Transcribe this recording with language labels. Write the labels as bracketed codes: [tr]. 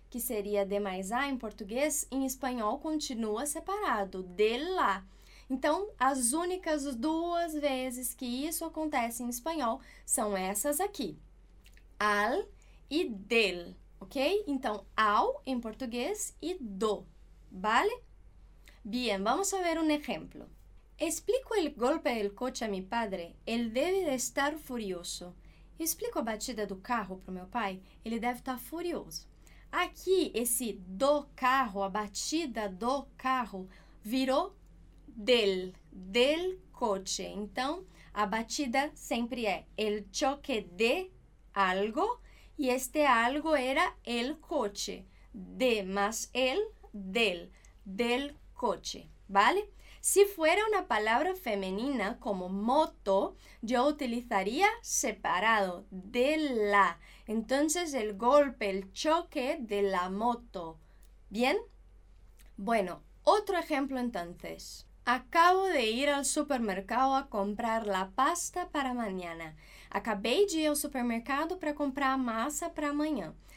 [pt] que seria de mais a em português, em espanhol continua separado, de la. Então, as únicas duas vezes que isso acontece em espanhol são essas aqui, al e del, ok? Então, ao em português e do, vale? [es] Bien, vamos a ver un ejemplo. Explico el golpe del coche a mi padre, él debe de estar furioso. [pt] Explico a batida do carro para o meu pai, ele deve estar furioso. Aqui, esse do carro, a batida do carro, virou del, del coche. Então, a batida sempre é [es] el choque de algo, [pt] e este algo era el coche. De mais el, del, del coche, vale? Se fuera uma palavra feminina, como moto, eu utilizaria separado, de la. [es] Entonces, el golpe, el choque de la moto. Bien? Bueno, [pt] outro exemplo, [es] entonces. Acabo de ir al supermercado a comprar la pasta para mañana. [pt] Acabei de ir ao supermercado para comprar a massa para amanhã.